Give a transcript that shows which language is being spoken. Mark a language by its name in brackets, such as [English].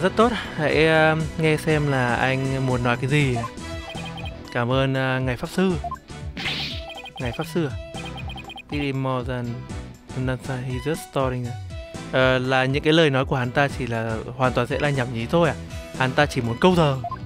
[Vietnamese] Rất tốt, hãy nghe xem là anh muốn nói cái gì. Cảm ơn ngài pháp sư. Ngài pháp sư à? [English] It is more than nothing, he's just starting. [Vietnamese] Là những cái lời nói của hắn ta chỉ là hoàn toàn sẽ là nhảm nhí thôi à. Hắn ta chỉ muốn câu giờ.